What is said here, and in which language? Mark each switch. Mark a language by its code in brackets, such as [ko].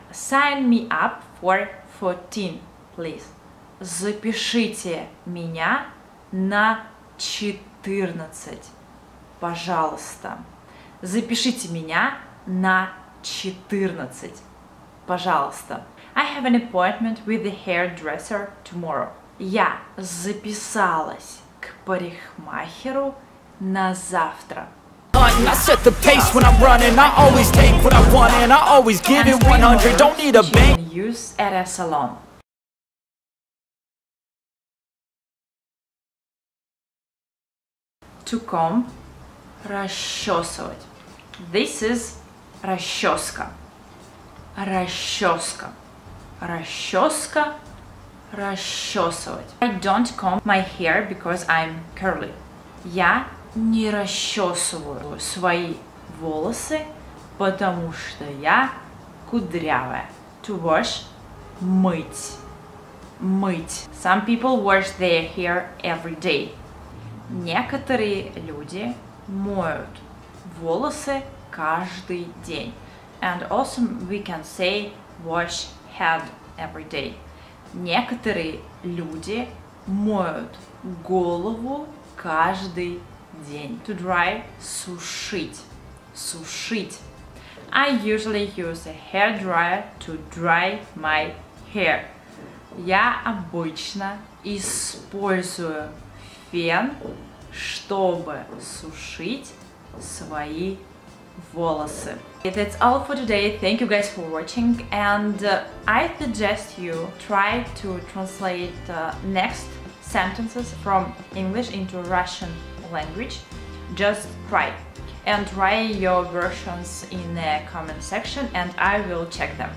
[en] Sign me up for 14, please. [ru] Запишите меня на 14, пожалуйста. Запишите меня на 14, пожалуйста. [en] I have an appointment with the hairdresser tomorrow. [ru] Я записалась к парикмахеру на завтра. [en] I set the pace when I'm running. I always take what I want and I always give it 100. Don't need a bank. Use at a salon. To comb, расчесывать. This is расческа. [ru] Расческа. Расческа, расчесывать. [en] I don't comb my hair because I'm curly. [ru] Я не расчесываю свои волосы, потому что я кудрявая. [en] To wash, мыть. Мыть. Some people wash their hair every day. [ru] Некоторые люди моют волосы каждый день. [en] And also we can say wash head every day. [ru] Некоторые люди моют голову каждый день. [en] To dry, сушить. Сушить. I usually use a hair dryer to dry my hair. [ru] Я обычно использую фен, чтобы сушить свои волосы. [en] That's all for today. Thank you guys for watching, and I suggest you try to translate the next sentences from English into Russian language. Just try and write your versions in the comment section and I will check them.